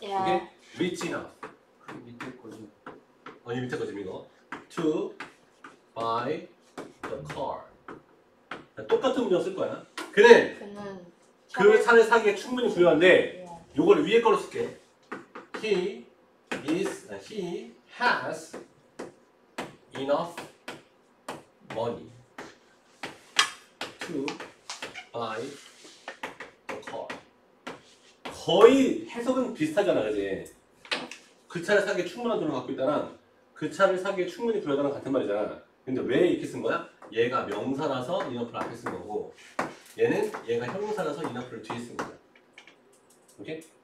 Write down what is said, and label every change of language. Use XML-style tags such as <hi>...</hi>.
<en>Yeah. rich enough.</en> <ko>이 밑에 거 지금 이거</ko> <en>to buy the car.</en> <ko>똑같은 문장 쓸 거야. 근데 그 차를 사기에 충분히 부여한데 요걸 위에 걸로 쓸게.</ko> <en>He is he has enough money to buy the car.</en> <ko>거의 해석은 비슷하잖아, 그지? 그 차를 사기에 충분한 돈을 갖고 있다랑 그 차를 사기에 충분히 부여하다는 같은 말이잖아. 근데 왜 이렇게 쓴 거야? 얘가 명사라서 enough를 앞에 쓴 거고 얘는 얘가 형용사라서 enough를 뒤에 쓴 거야. 오케이?</ko>